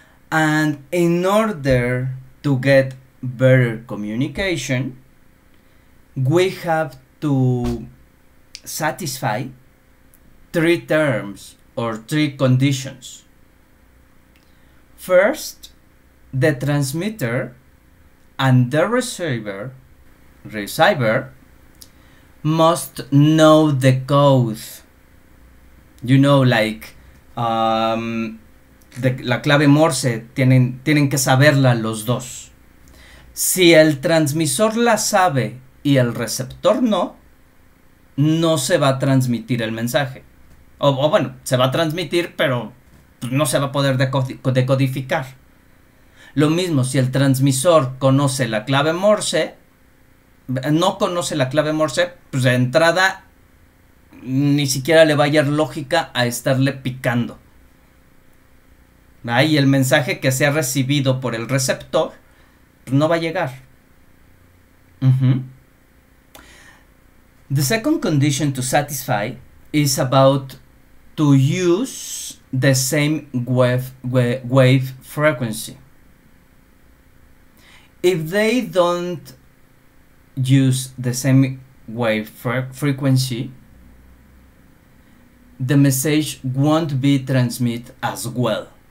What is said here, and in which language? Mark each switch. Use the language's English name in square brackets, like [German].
[English] And in order to get better communication, we have to satisfy three terms or three conditions. First, the transmitter and the receiver must know the code. You know, like [Spanish] la clave Morse tienen que saberla los dos. Si el transmisor la sabe y el receptor no, no se va a transmitir el mensaje. O bueno, se va a transmitir, pero no se va a poder decodificar. Lo mismo, si el transmisor conoce la clave Morse, no conoce la clave Morse, pues de entrada ni siquiera le va a hallar lógica a estarle picando. Ahí el mensaje que sea recibido por el receptor, pues no va a llegar. [English] The second condition to satisfy is about to use the same wave frequency. If they don't use the same wave frequency, the message won't be transmitted as well.